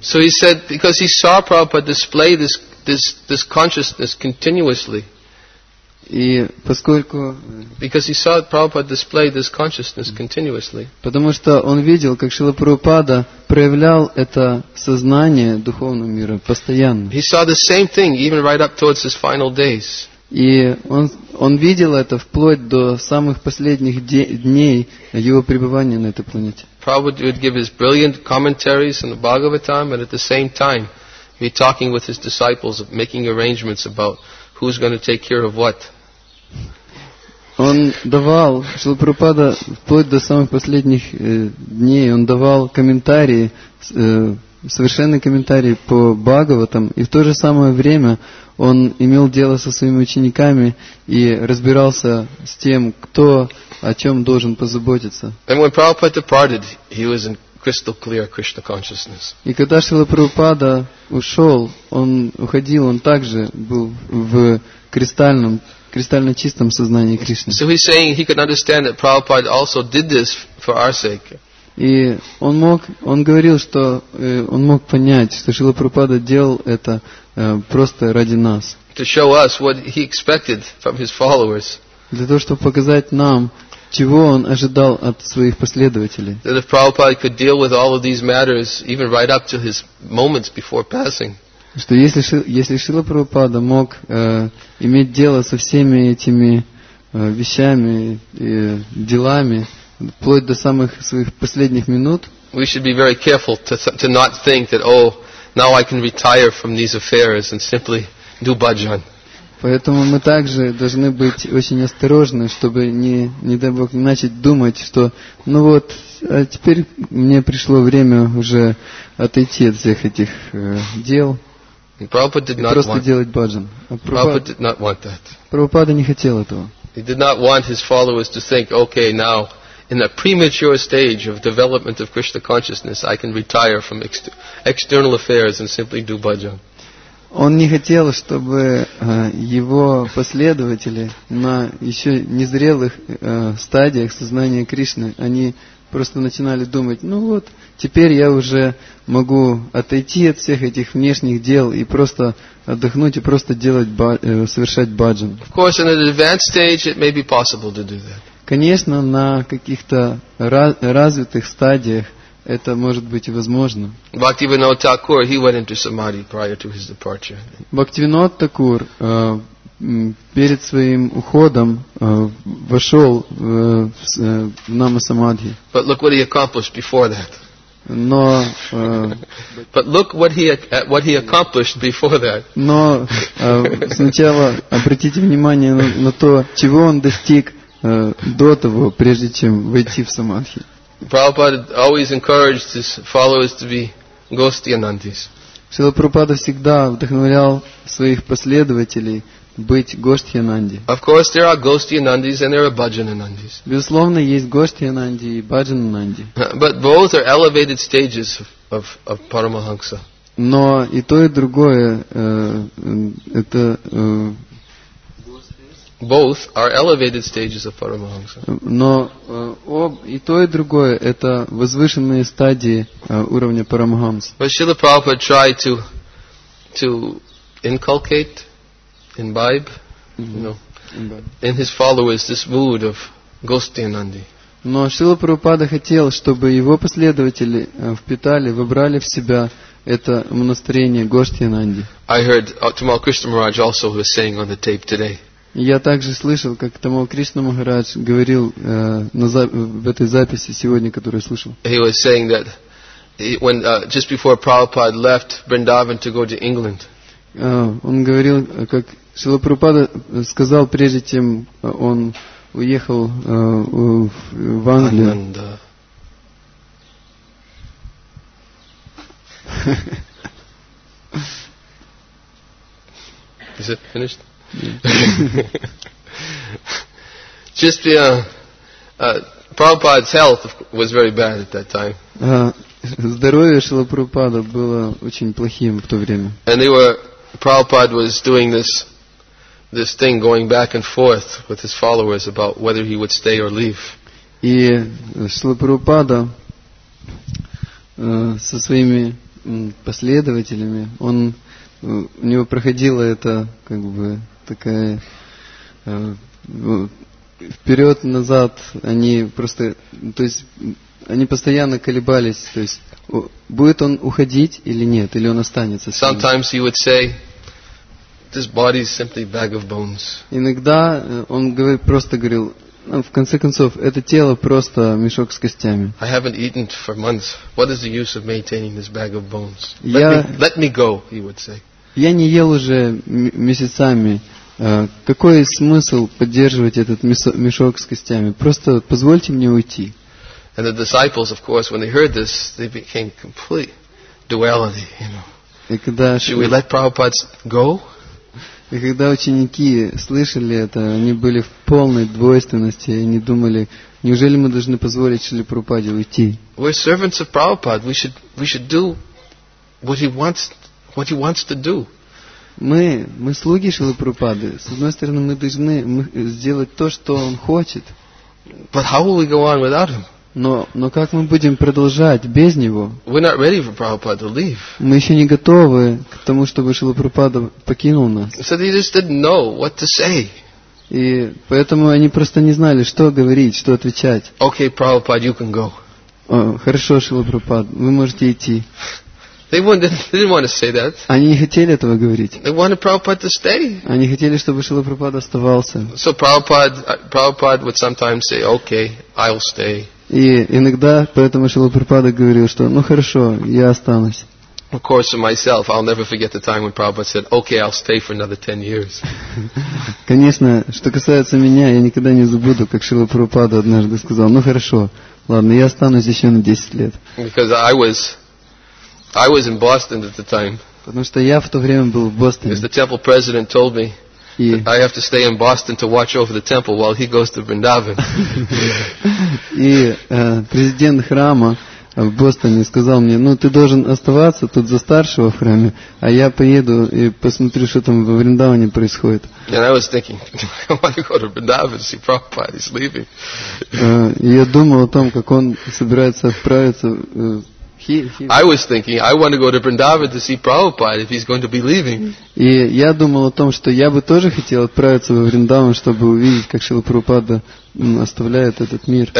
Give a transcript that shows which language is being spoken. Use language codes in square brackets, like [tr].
[en] So he said, because he saw Prabhupada display this consciousness continuously [ru] И поскольку [en] because he saw Prabhupada display this consciousness continuously. [ru] Потому что он видел, как Шрила Прабхупада проявлял это сознание духовного мира постоянно. [en] He saw the same thing even right up towards his final days. [ru] И он видел это вплоть до самых последних дней его пребывания на этой планете. [en] Prabhupada would give his brilliant commentaries on the Bhagavatam and at the same time be talking with his disciples, making arrangements about who's going to take care of what. [ru] Он давал, Шрила Прабхупада вплоть до самых последних дней, он давал комментарии, совершенные комментарии по Бхагаватам, и в то же самое время он имел дело со своими учениками и разбирался с тем, кто о чем должен позаботиться. [en] And when Prabhupada departed, he was in crystal clear Krishna consciousness. [ru] И когда Шрила Прабхупада ушел, он уходил, он также был в кристально чистом сознании Кришны. [en] So he's saying he could understand that Prabhupada also did this for our sake. [ru] И он говорил, что он мог понять, что Шрила Прабхупада делал это просто ради нас. [en] To show us what he expected from his followers. [ru] Для того, чтобы показать нам, чего он ожидал от своих последователей. [en] That if Prabhupada could deal with all of these matters, even right up to his moments before passing. [ru] Что если Шрила Прабхупада мог иметь дело со всеми этими вещами и делами вплоть до самых своих последних минут, [en] we should be very careful to not think that, oh, now I can retire from these affairs and simply do bhajan. [ru] Поэтому мы также должны быть очень осторожны, чтобы не дай Бог начать думать, что ну вот, а теперь мне пришло время уже отойти от всех этих дел. [en] Prabhupada did not [ru] просто [en] want [ru] делать бхаджан. [en] Prabhupada did not want that. [ru] Прабхупада не хотел этого. [en] He did not want his followers to think, okay, now in a premature stage of development of Krishna consciousness, I can retire from external affairs and simply do bhajan. [ru] Он не хотел, чтобы его последователи на еще незрелых стадиях сознания Кришны, они просто начинали думать, ну вот, теперь я уже могу отойти от всех этих внешних дел и просто отдохнуть и просто совершать бхаджан. [en] Of course, in an advanced stage, it may be possible to do that. [ru] Конечно, на каких-то развитых стадиях это может быть возможно. [en] Бхактивинод Такур, he went into samadhi prior to his departure. [ru] Бхактивинод Такур перед своим уходом вошел в нама-самадхи. [en] But look what he accomplished before that. [ru] Но [en] but look what he accomplished before that. [ru] Но сначала обратите внимание на то, чего он достиг до того, прежде чем войти в самадхи. [en] Prabhupada always encouraged his followers to be Gostiyanandis. [ru] Шрила Прабхупада всегда вдохновлял своих последователей быть Гостхиананди. [en] Of course, there are Gostiyanandis and there are Bhajanandis. [ru] Безусловно, есть Гостхиананди и Бхаджананди. [en] But both are elevated stages of Paramahansa. [ru] Но и то, и другое это [en] both are elevated stages of Paramahansa. [ru] Но и то, и другое это возвышенные стадии уровня Парамахамса. [en] But Srila Prabhupada tried to inculcate, imbibe, in his followers this mood of Gostiyanandi. [ru] Но Шрила Прабхупада хотел, чтобы его последователи впитали, вобрали в себя это настроение Гостиянанди. [en] I heard Tamal Krishna Maharaj also was saying on the tape today. [ru] Я также слышал, как Тамал Кришна Махарадж говорил в этой записи сегодня, которую я слышал. [en] He was saying that when just before Prabhupada left Vrindavan to go to England. [ru] Он говорил, как Шрила Прабхупада сказал, прежде чем он уехал в Англию. Ананда. [en] Is it finished? Just the Prabhupada's health was very bad at that time. [ru] Здоровье Шрила Прабхупада было очень плохим в то время. [en] And they were Prabhupada was doing this thing going back and forth with his followers about whether he would stay or leave. [ru] И Шрила Прабхупада со своими последователями, у него проходило это такая вперед, назад, они просто, то есть, они постоянно колебались, то есть, будет он уходить или нет, или он останется. [en] Sometimes he would say, this body is simply a bag of bones. [ru] Иногда он просто говорил, в конце концов, это тело просто мешок с костями. [en] I haven't eaten for months. What is the use of maintaining this bag of bones? Let me go, he would say. [ru] Я не ел уже месяцами. Какой смысл поддерживать этот мешок с костями? Просто позвольте мне уйти. [en] And the disciples, of course, when they heard this, they became complete duality, you know. [ru] И когда [en] Should we let Prabhupada go? [ru] И когда ученики слышали это, они были в полной двойственности, и они думали, неужели мы должны позволить Шриле Прабхупаде уйти? [en] We're servants of Prabhupada. We should do what he wants to do. [ru] Мы слуги Шрилы Прабхупады. С одной стороны, мы должны сделать то, что он хочет. [en] But how will we go on without him? [ru] Но как мы будем продолжать без него? [en] We're not ready for Prabhupada to leave. [ru] Мы еще не готовы к тому, чтобы Шрила Прабхупада покинул нас. [en] So they just didn't know what to say. [ru] И поэтому они просто не знали, что говорить, что отвечать. [en] Okay, Prabhupada, you can go. [ru] Хорошо, Шрила Прабхупада, вы можете идти. [en] They didn't want to say that. [ru] Они не хотели этого говорить. [en] They wanted Prabhupada to stay. [ru] Они хотели, чтобы Шрила Прабхупада оставался. [en] So Prabhupada would sometimes say, okay, I'll stay. [ru] И иногда поэтому Шрила Прабхупада говорил, что ну хорошо, я останусь. [en] Of course, for myself, I'll never forget the time when Prabhupada said, "Okay, I'll stay for another 10 years." [ru] Конечно, что касается меня, я никогда не забуду, как Шрила Прабхупада однажды сказал: "Ну хорошо, ладно, я останусь еще на 10 лет." [en] Because I was in Boston at the time. [ru] Потому что я в то время был в Бостоне. [en] Because the temple president told me. I have to stay in Boston to watch over the temple while he goes to Vrindavan. [ru] И президент храма в Бостоне сказал мне: "Ну, ты должен оставаться тут за старшего в храме, а я поеду и посмотрю, что там во Вриндаване происходит." [en] And I was thinking, I want to go to Vrindavan to see Prabhupada. He's leaving. [ru] Я думал о том, как он собирается отправиться. [en] I was thinking, I want to go to Vrindavan to see Prabhupada if he's going to be leaving. [ru] И я думал о том, что я бы тоже хотел отправиться во Вриндаван, чтобы увидеть, как Шрила Прабхупада оставляет этот мир.